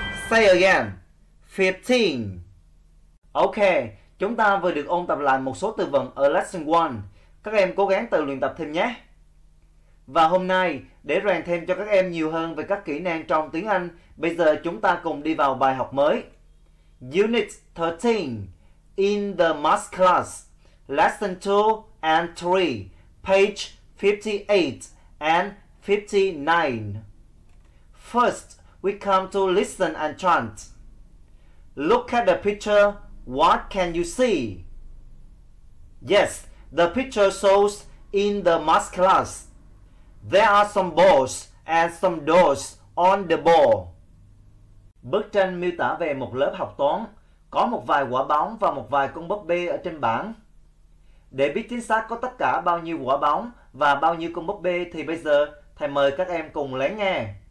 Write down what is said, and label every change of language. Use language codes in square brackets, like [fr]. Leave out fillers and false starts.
[en] Say again. 15. Okay. [vi] Chúng ta vừa được ôn tập lại một số từ vựng ở lesson 1. Các em cố gắng tự luyện tập thêm nhé. Và hôm nay, để rèn thêm cho các em nhiều hơn về các kỹ năng trong tiếng Anh, bây giờ chúng ta cùng đi vào bài học mới. [en] Unit 13 in the math class, lesson 2 and 3, page 58 and 59. First, we come to listen and chant. Look at the picture. What can you see? Yes, the picture shows in the math class. There are some balls and some doors on the ball. [vi] Bức tranh miêu tả về một lớp học toán. Có một vài quả bóng và một vài con búp bê ở trên bảng. Để biết chính xác có tất cả bao nhiêu quả bóng và bao nhiêu con búp bê thì bây giờ thầy mời các em cùng lắng nghe.